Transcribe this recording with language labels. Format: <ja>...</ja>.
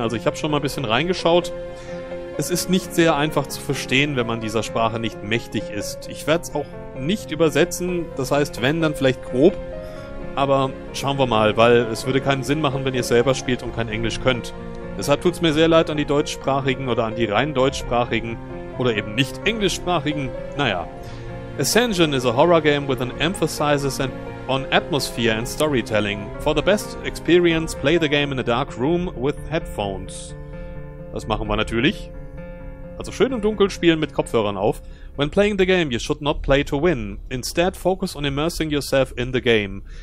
<de>Also ich habe schon mal ein bisschen reingeschaut. Es ist nicht sehr einfach zu verstehen, wenn man dieser Sprache nicht mächtig ist. Ich werde es auch nicht übersetzen. Das heißt, wenn, dann vielleicht grob. Aber schauen wir mal, weil es würde keinen Sinn machen, wenn ihr selber spielt und kein Englisch könnt. Deshalb tut es mir sehr leid an die deutschsprachigen oder an die rein deutschsprachigen oder eben nicht englischsprachigen. Naja.</de> <en>Ascension is a horror game with an emphasis and on atmosphere and storytelling. For the best experience, play the game in a dark room with headphones.</en> <de>Das machen wir natürlich. Also schön im Dunkeln spielen mit Kopfhörern auf.</de> <en>When playing the game, you should not play to win. Instead, focus on immersing yourself in the game.</en>